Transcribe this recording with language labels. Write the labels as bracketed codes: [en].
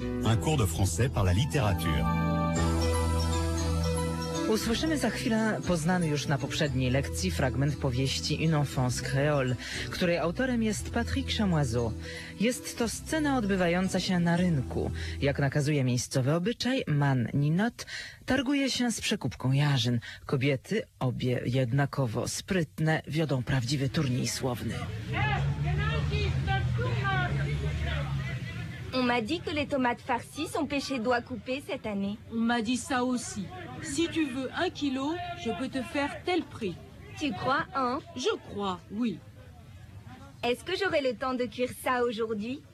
[fr] Un cours de français par la littérature. [pl] Usłyszymy za chwilę poznany już na poprzedniej lekcji fragment powieści Une enfance créole, której autorem jest Patrick Chamoiseau. Jest to scena odbywająca się na rynku. Jak nakazuje miejscowy obyczaj, man Ninot targuje się z przekupką jarzyn. Kobiety, obie jednakowo sprytne, wiodą prawdziwy turniej słowny. [fr] On m'a dit que les tomates farcies sont pêchées doigts coupés cette année. On m'a dit ça aussi. Si tu veux un kilo, je peux te faire tel prix. Tu crois, hein? Je crois, oui. Est-ce que j'aurai le temps de cuire ça aujourd'hui?